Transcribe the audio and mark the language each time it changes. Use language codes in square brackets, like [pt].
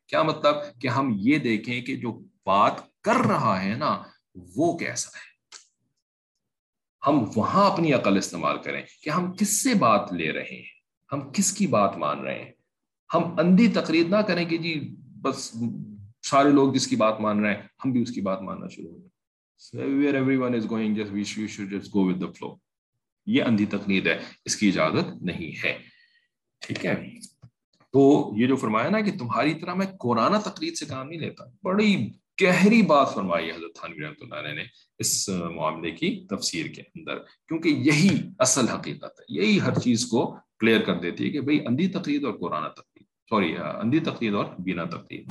[ur] کیا مطلب؟ کہ ہم یہ دیکھیں کہ جو بات کر رہا ہے نا وہ کیسا ہے, ہم وہاں اپنی عقل استعمال کریں کہ ہم کس سے بات لے رہے ہیں, ہم کس کی بات مان رہے ہیں. ہم اندھی تقلید نہ کریں کہ جی بس سارے لوگ جس کی بات مان رہے ہیں ہم بھی اس کی بات ماننا شروع ہو گئے. [en] So everyone is going, we should just go with the flow. [ur] یہ اندھی تقلید ہے, اس کی اجازت نہیں ہے, ٹھیک ہے. تو یہ جو فرمایا نا کہ تمہاری طرح میں قرآن تقلید سے کام نہیں لیتا, بڑی گہری بات فرمائی حضرت تھانوی رحمۃ اللہ علیہ نے اس معاملے کی تفسیر کے اندر, کیونکہ یہی اصل حقیقت ہے, یہی ہر چیز کو کلیئر کر دیتی ہے کہ بھائی اندھی تقلید اور قرآن تقلید, سوری اندھی تقلید اور بینا تقلید.